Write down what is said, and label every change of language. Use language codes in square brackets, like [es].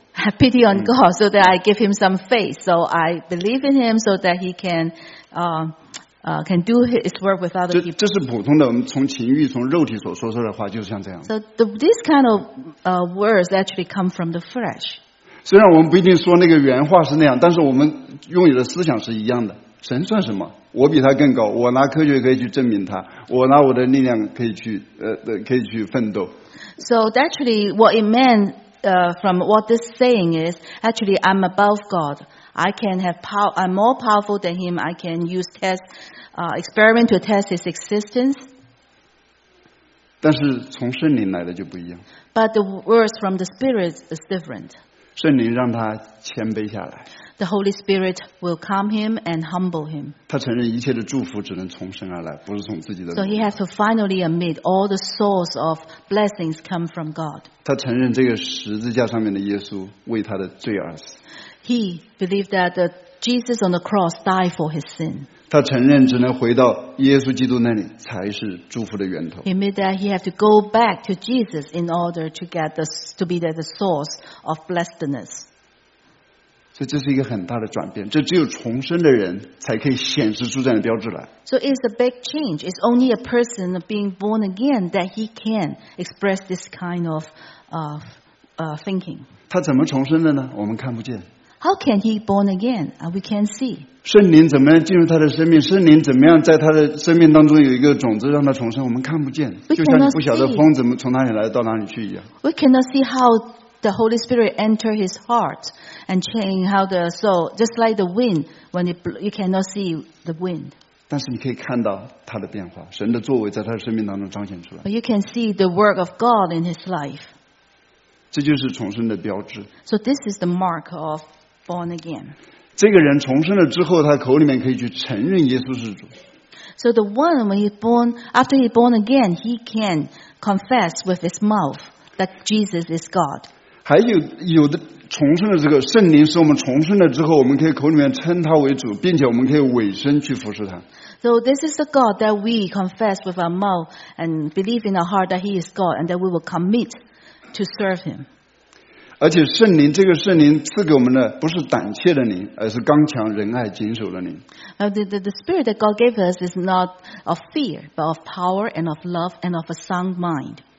[en] I pity on God so that I give him some faith, so I believe in him so that he can do his work with other people. [zh] 这是普通的我们从情欲从肉体所说出来的话就像这样。 [en] So this kind of words actually come from the flesh. [zh] 虽然我们不一定说那个原话是那样但是我们拥有的思想是一样的。神算什么我比他更高我拿科学可以去证明他我拿我的力量可以去奋斗。 [en] So actually what it meant from what this saying is, actually I'm above God. I can have power. I'm more powerful than him. I can use test, experiment to test his existence. [zh] 但是从圣灵来的就不一样。 [en] But the words from the Spirit is different. [zh] 圣灵让他谦卑下来。 [en] The Holy Spirit will calm him and humble him. [zh] 他承认一切的祝福只能从神而来，不是从自己的。 [en] So he has to finally admit all the source of blessings come from God. [zh] 他承认这个十字架上面的耶稣为他的罪而死。 [en] He believed that Jesus on the cross died for his sin. [zh] 他承认只能回到耶稣基督那里才是祝福的源头。 [en] He admitted that he had to go back to Jesus in order to get the, to be the source of blessedness. [zh] 所以这是一个很大的转变，这只有重生的人才可以显示出这样的标志来。 [en] So it's a big change. It's only a person being born again that he can express this kind of thinking. [zh] 他怎么重生的呢？我们看不见。 [en] How can he born again? We can see. [zh] 圣灵怎么样进入他的生命？圣灵怎么样在他的生命当中有一个种子让他重生？我们看不见，就像你不晓得风怎么从哪里来到哪里去一样。 [en] We cannot see how the Holy Spirit enter his heart and change how the soul, just like the wind, when it blow, you cannot see the wind. [zh] 但是你可以看到他的变化，神的作为在他的生命当中彰显出来。 [en] You can see the work of God in his life. [zh] 这就是重生的标志。 [en] So this is the mark of. Born again. [zh] 这个人重生了之后，他口里面可以去承认耶稣是主。 [en] So the one when he born after he born again, he can confess with his mouth that Jesus is God. [zh] 还有有的重生了之后，圣灵使我们重生了之后，我们可以口里面称他为主，并且我们可以委身去服侍他。 [en] So this is the God that we confess with our mouth and believe in our heart that He is God and that we will commit to serve Him. [zh] 而且圣灵这个圣灵赐给我们的不是胆怯的灵，而是刚强仁爱谨守的灵。 [en] The spirit that God gave us is not of fear, but of power and of love and of a sound mind.